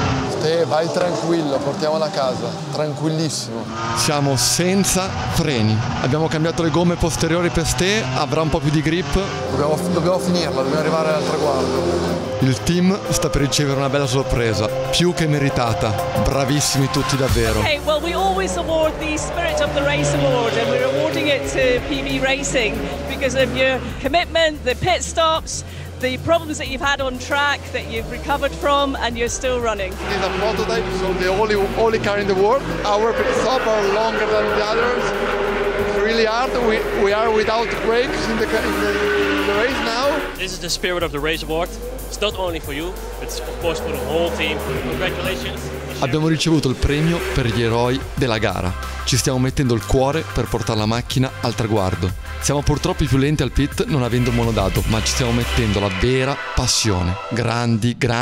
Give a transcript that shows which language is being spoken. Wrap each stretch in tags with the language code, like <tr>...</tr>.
<it>Ste, vai tranquillo, portiamola a casa, tranquillissimo. Siamo senza freni. Abbiamo cambiato le gomme posteriori per Ste, avrà un po' più di grip. Dobbiamo finirla, dobbiamo arrivare al traguardo. Il team sta per ricevere una bella sorpresa, più che meritata. Bravissimi tutti davvero.</it> <en>Okay, well we always award the Spirit of the Race Award and we're awarding it to PB Racing because of your commitment, the pit stops, the problems that you've had on track that you've recovered from and you're still running. It's a prototype, so the only car in the world. Our pit stops are longer than the others. Really hard, we are without brakes in the race now. This is the Spirit of the Race Award. It's not only for you, it's of course for the whole team. Congratulations.</en> <it>Abbiamo ricevuto il premio per gli eroi della gara. Ci stiamo mettendo il cuore per portare la macchina al traguardo. Siamo purtroppo i più lenti al pit non avendo il monodato, ma ci stiamo mettendo la vera passione. Grandi.</it>